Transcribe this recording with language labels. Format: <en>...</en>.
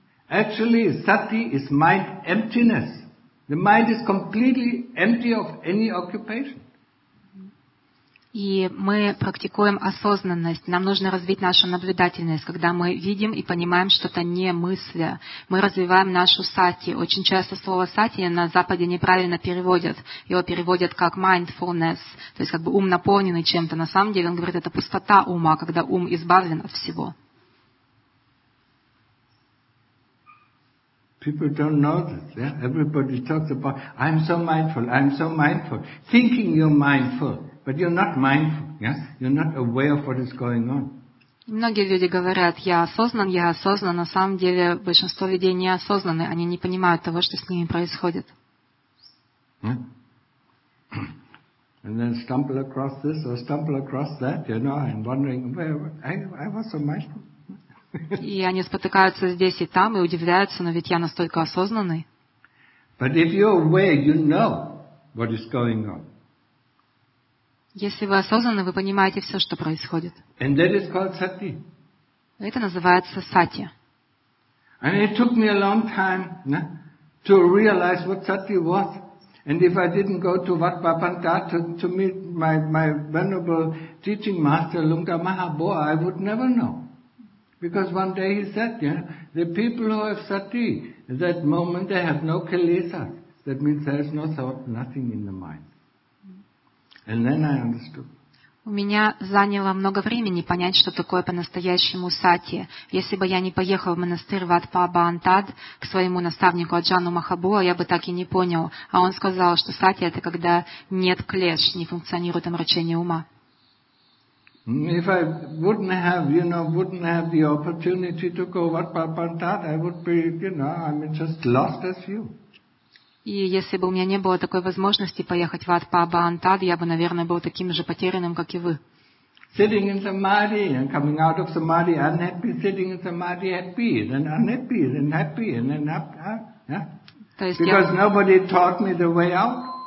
<en>Actually, sati is mind emptiness. The mind is completely empty of any occupation.</en> <ru>И мы практикуем осознанность. Нам нужно развить нашу наблюдательность, когда мы видим и понимаем что-то не мысля. Мы развиваем нашу сати. Очень часто слово сати на Западе неправильно переводят. Его переводят как mindfulness, то есть как бы ум наполненный чем-то. На самом деле он говорит, это пустота ума, когда ум избавлен от всего.</ru> <en>People don't know this. Yeah? Everybody talks about, I'm so mindful, I'm so mindful. Thinking you're mindful, but you're not mindful. Yeah? You're not aware of what is going on.</en> <ru>Многие люди говорят, я осознан, на самом деле большинство людей не осознаны, они не понимают того, что с ними происходит.</ru> <en>Yeah? And then stumble across this or stumble across that, you know, and wondering, I was so mindful.</en> <ru>И они спотыкаются здесь и там и удивляются, но ведь я настолько осознанный.</ru> <en>But if you're aware, you know what is going on.</en> <ru>Если вы осознаны, вы понимаете все, что происходит.</ru> <en>And that is called sati.</en> <ru>Это называется сати.</ru> <en>And it took me a long time, yeah, to realize what sati was. And if I didn't go to Wat Bapanta to meet my venerable teaching master Lungda Mahaboa, I would never know. Because one day he said, you know, the people who have sati, that moment they have no kilesas. That means there is no thought, nothing in the mind. And then I understood.</en> <ru>У меня заняло много времени понять, что такое по-настоящему сати. Если бы я не поехал в монастырь Вад Паба Антад к своему наставнику Аджану Махабуа, я бы так и не понял. А он сказал, что сати – это когда нет клеш, не функционирует омрачение ума.</ru> <en>If I wouldn't have the opportunity to go Wat Pa Pantat, I would be, you know, I mean, just lost as you.</en> <ru>И если бы у меня не было такой возможности поехать в Wat Pa Pantat, я бы, наверное, был таким же потерянным, как и вы.</ru> <en>Sitting in Samadhi and coming out of Samadhi unhappy, sitting in Samadhi happy, then unhappy, then happy, and then up, yeah? Because nobody taught me the way out.</en>